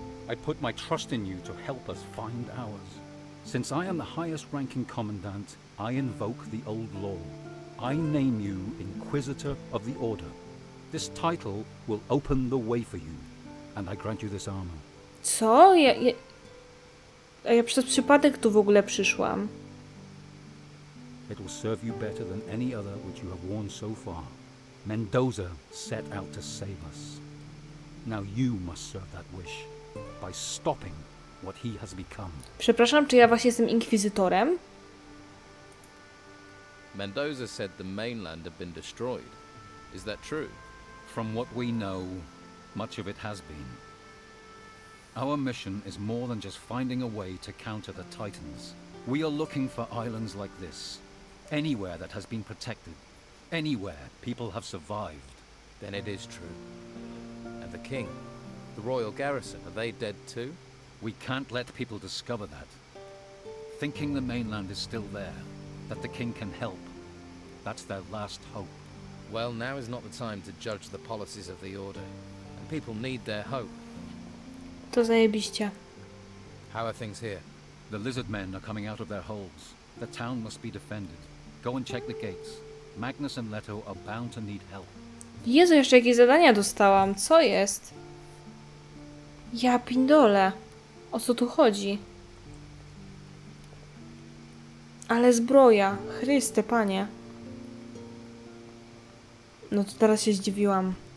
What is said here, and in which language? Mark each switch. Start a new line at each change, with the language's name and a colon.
English: I put my trust in you to help us find ours. Since I am the highest ranking commandant, I invoke the old law. I name you Inquisitor of the Order. This title will open the way for you, and I grant you this armor.
Polish: Co? Ja przez przypadek tu w ogóle przyszłam.
English: It will serve you better than any other which you have worn so far. Mendoza set out to save us. Now you must serve that wish by stopping what he has become.
Polish: Przepraszam, czy ja właśnie jestem inkwizytorem?
English: Mendoza said the mainland had been destroyed. Is that true? From what we know, much of it has been. Our mission is more than just finding a way to counter the Titans. We are looking for islands like this. Anywhere that has been protected. Anywhere people have survived. Then it is true. And the king? The royal garrison, are they dead too? We can't let people discover that. Thinking the mainland is still there, that the king can help, that's their last hope. Well, now is not the time to judge the policies of the order. And people need their hope.
Polish: To zajebiście.
English: How are things here? The lizard men are coming out of their holes. The town must be defended. Go and check the gates. Magnus and Leto are bound to need help.
Polish: Jezu, jeszcze jakieś zadania dostałam. Co jest? Ja pindole. O co tu chodzi? Ale zbroja. Chryste, panie. No to teraz się zdziwiłam.